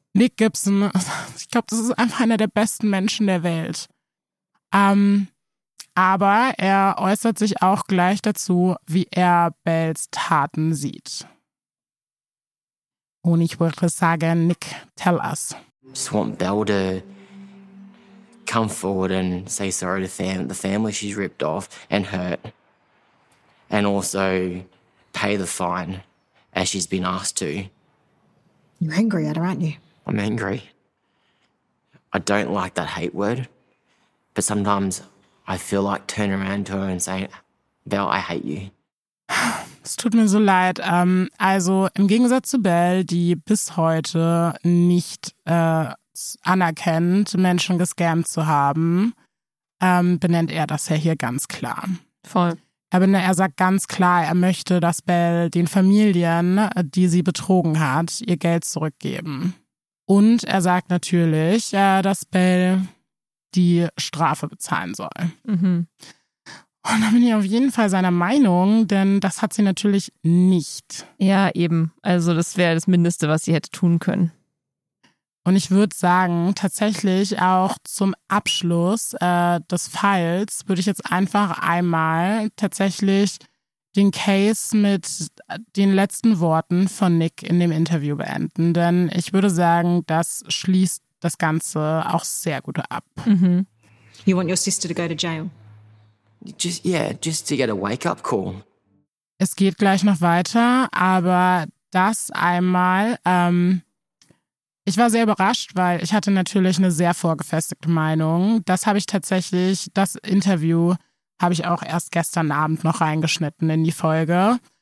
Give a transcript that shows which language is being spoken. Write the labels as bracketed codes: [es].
[de] Nick Gibson, ich glaube, das ist einfach einer der besten Menschen der Welt. Aber er äußert sich auch gleich dazu, wie er Bells Taten sieht. Und ich würde sagen, Nick, [en] tell us. I just want Belle to come forward and say sorry to the family she's ripped off and hurt. And also pay the fine as she's been asked to. You're angry at her, aren't you? I'm angry. I don't like that hate word, but sometimes I feel like turning around to her and saying, Belle, I hate you. [de] Es tut mir so leid. Also im Gegensatz zu Belle, die bis heute nicht anerkennt, Menschen gescammt zu haben, benennt er das ja hier ganz klar. Voll. Er sagt ganz klar, er möchte, dass Belle den Familien, die sie betrogen hat, ihr Geld zurückgeben. Und er sagt natürlich, dass Belle die Strafe bezahlen soll. Mhm. Und da bin ich auf jeden Fall seiner Meinung, denn das hat sie natürlich nicht. Ja, eben. Also das wäre das Mindeste, was sie hätte tun können. Und ich würde sagen, tatsächlich auch zum Abschluss des Falls würde ich jetzt einfach einmal tatsächlich den Case mit den letzten Worten von Nick in dem Interview beenden. Denn ich würde sagen, das schließt das Ganze auch sehr gut ab. Mm-hmm. [en] You want your sister to go to jail? Just to get a wake-up call. [de] Es geht gleich noch weiter, aber das einmal... ich war sehr überrascht, weil ich hatte natürlich eine sehr vorgefestigte Meinung. Das habe ich tatsächlich, das Interview habe ich auch erst gestern Abend noch reingeschnitten in die Folge.